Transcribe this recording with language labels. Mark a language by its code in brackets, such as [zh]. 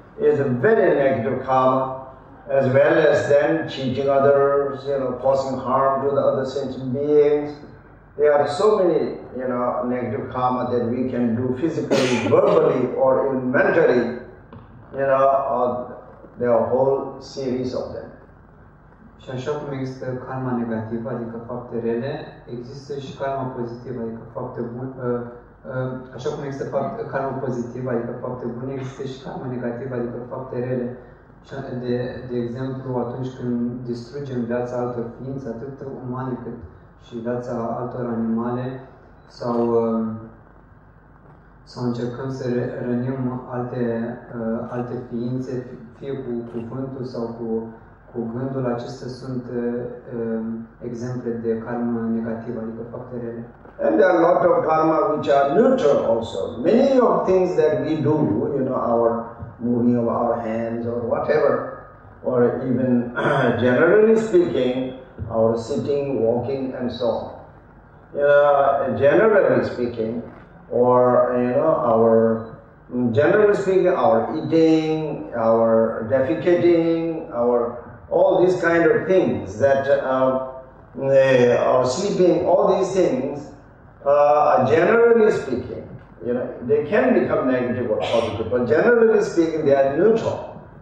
[en] is a very negative karma, as well as then cheating others, you know, causing harm to the other sentient beings. There are so many, you know, negative karma that we can do physically, verbally, or even mentally, you know, there are a whole series of them. [ro] Și așa cum există karma negativă, adică fapte rele, există și karma pozitivă, adică fapte bune. Așa cum există karma pozitivă, adică fapte bune, există și karma negativă, adică fapte rele. De exemplu, atunci când distrugem viața altor ființe, atât umane cât și viața altor animale, sau sau încercăm să rănim alte, alte ființe, fie cu cuvântul sau cu, cu gândul, acestea sunt exemple de karma negativă, adică fapte rele. [en] And there are a lot of karma which are neutral also. Many of things that we do, you know, our moving of our hands or whatever, or even generally speaking, our sitting, walking and so on. You know, generally speaking, or, you know, our, generally speaking, our eating, our defecating, our, all these kind of things that, our sleeping, all these things, generally speaking, you know, they can become negative or positive, but generally speaking, they are neutral.